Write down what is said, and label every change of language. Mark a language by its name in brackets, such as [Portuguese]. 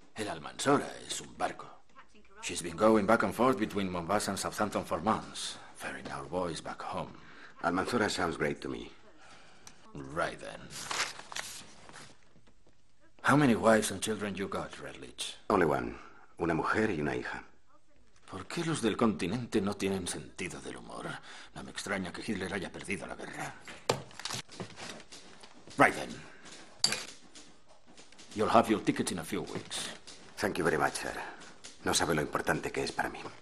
[Spanish] El Almanzora es un barco. [English] She's been going back and forth between Mombasa and Southampton for months, ferrying our boys back home. Almanzora sounds great to me. Right then. How many wives and children you got, Redlich? Only one. [Spanish] Una mujer y una hija. ¿Por qué los del continente no tienen sentido del humor? No me extraña que Hitler haya perdido la guerra. [English] Right then. You'll have your ticket in a few weeks. Thank you very much, sir. [Spanish] No sabe lo importante que es para mí.